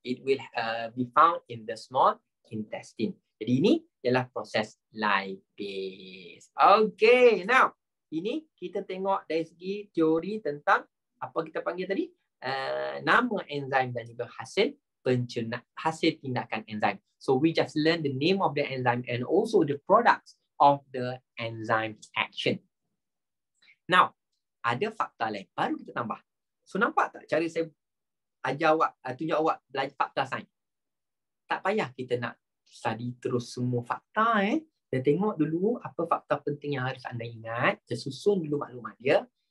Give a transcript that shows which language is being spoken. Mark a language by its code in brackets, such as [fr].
[en] It will be found in the small intestine. [ms] Jadi ini ialah proses lipase. Okay, now ini kita tengok dari segi teori tentang apa kita panggil tadi? Nama enzim dan juga hasil pencerna, hasil tindakan enzim. [en] So we just learn the name of the enzyme and also the products of the enzyme action. [ms] Now, ada fakta lain baru kita tambah. So nampak tak cara saya ajar awak, tunjuk awak belajar fakta sains. Tak payah kita nak study terus semua fakta eh. Dan tengok dulu apa fakta penting yang harus anda ingat, susun dulu maklumat dia.